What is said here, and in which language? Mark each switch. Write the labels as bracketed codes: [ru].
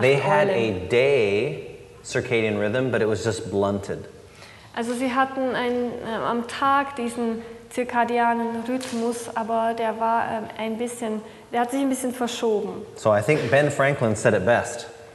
[en] They had a day circadian rhythm, but it was just blunted. [de] Also sie hatten ein, am Tag diesen zirkadianen Rhythmus, aber der war ein bisschen, der hat sich ein bisschen verschoben. [en] So I think Ben Franklin said it best.